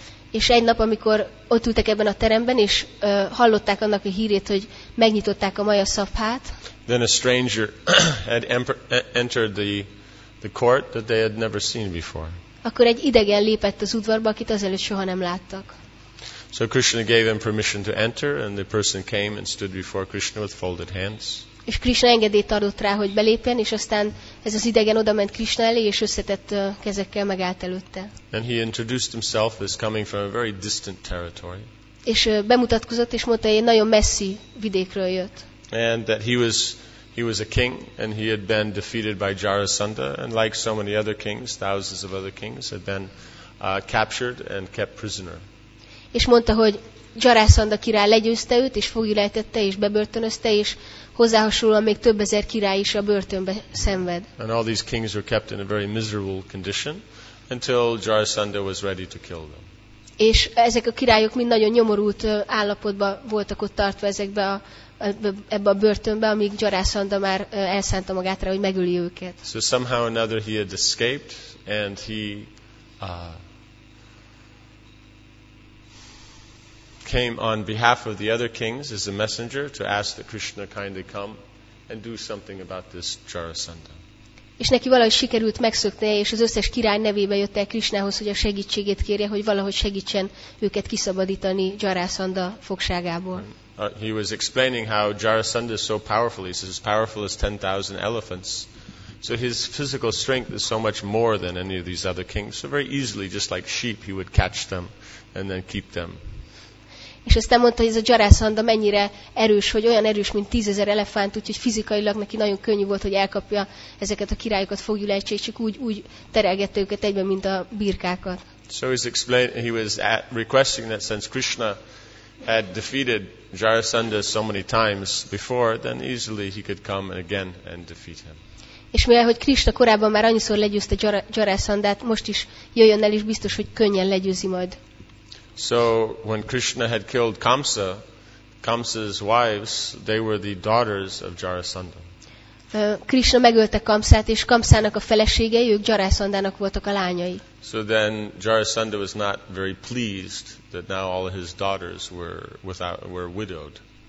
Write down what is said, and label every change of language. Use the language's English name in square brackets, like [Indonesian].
[Hungarian] És egy nap, amikor ott ültek ebben a teremben, és hallották annak a hírét, hogy megnyitották a Maya Sabhát. [English] Then a stranger had entered the court that they had never seen before. [Hungarian] Akkor egy idegen lépett az udvarba, akit azelőtt soha nem láttak. [English] So Krishna gave him permission to enter, and the person came and stood before Krishna with folded hands. [Hungarian] És Krishna engedélyt adott rá, hogy belépjen, és aztán ez az idegen odament Krishna elé, és összetett kezekkel megállt előtte. [English] And he introduced himself as coming from a very distant territory. [Hungarian] És bemutatkozott, és mondta, hogy egy nagyon messzi vidékről jött. [English] And that he was a king, and he had been defeated by Jarasandha, and like so many other kings, thousands of other kings, had been captured and kept prisoner. [Hungarian] És mondta, hogy Jarasandha király legyőzte őt, és foglyulejtette, és bebörtönözte, és hozzá hasonlóan még több ezer király is a börtönbe szenved. [English] And all these kings were kept in a very miserable condition until Jarasandha was ready to kill them. [Hungarian] És ezek a királyok mind nagyon nyomorult állapotban voltak ott tartva ezekbe a ebbe a börtönbe, amíg Gyarászanda már elszánta magát rá, hogy megüli őket. [English] So somehow or another he had escaped and he came on behalf of the other kings as a messenger to ask that Krishna kindly come and do something about this Jarasandha. [Hungarian] És neki valahogy sikerült megszöknie, és az összes király nevében jött el Krishnához, hogy a segítségét kérje, hogy valahogy segítsen őket kiszabadítani Jarasandha fogságából. [English] He was explaining how Jarasandha is so powerful. He says, as powerful as 10,000 elephants. So his physical strength is so much more than any of these other kings. So very easily, just like sheep, he would catch them and then keep them. [Hungarian] És aztán mondta, hogy ez a Jarasandha mennyire erős, hogy olyan erős, mint 10,000 elefánt, úgyhogy fizikailag neki nagyon könnyű volt, hogy elkapja ezeket a királyokat, fogjul egység, csak úgy terelgette őket egyben, mint a birkákat. [English] So he was requesting that since Krishna had defeated Jarasandha so many times before, then easily he could come again and defeat him. [Hungarian] És mivel, hogy Krishna korábban már annyiszor legyőzte Jarasandhát, most is jöjjön el, és biztos, hogy könnyen legyőzi majd. [English] So when Krishna had killed Kamsa, Kamsa's wives, they were the daughters of Jarasandha. [Hungarian] Krishna megölte Kamsát, és Kamsának a feleségei, ők Jarasandának voltak a lányai. [English] So then Jarasandha was not very pleased that now all his daughters were widowed.